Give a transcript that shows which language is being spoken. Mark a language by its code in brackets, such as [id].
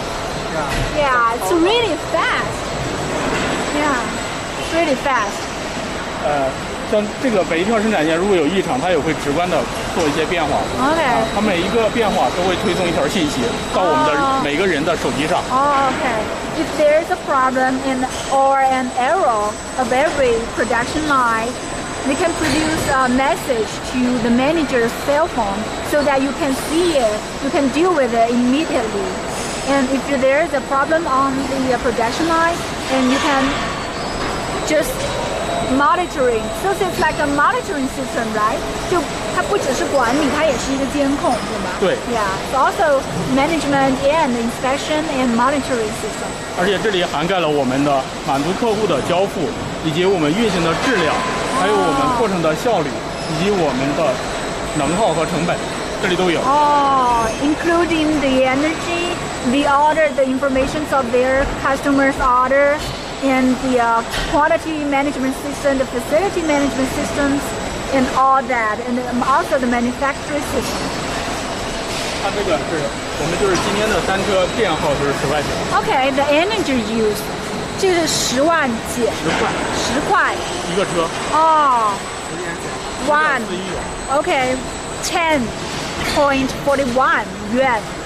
[en] Yeah, yeah, it's really fast. Yeah, it's really fast. [zh] 像这个每一条生产线如果有异常，它也会直观的做一些变化。 OK、啊。它每一个变化都会推送一条信息到我们的每个人的手机上。 [en] OK。 If there is a problem in or an error of every production line, we can produce a message to the manager's cell phone so that you can see it, you can deal with it immediately. And if there is a problem on the production line, and you can just monitoring, so it's like a monitoring system, right? [zh] 就它不只是管理，它也是一个监控，对吗？对。 [en] Yeah, it's also management and inspection and monitoring system. [zh] 而且这里涵盖了我们的满足客户的交付，以及我们运行的质量，还有我们过程的效率，以及我们的能耗和成本，这里都有。 [en] Including the energy, the order, the information of their customers' order. And the quality management system, the facility management systems, and all that, and also the manufacturing system. [zh] 它这个是我们就是今天的单车电耗就是10块钱。 [en] Okay, the energy use, [zh] 这是10万几。十块。一个车。哦。 1.41元。 [en] Okay, 10.41 yuan.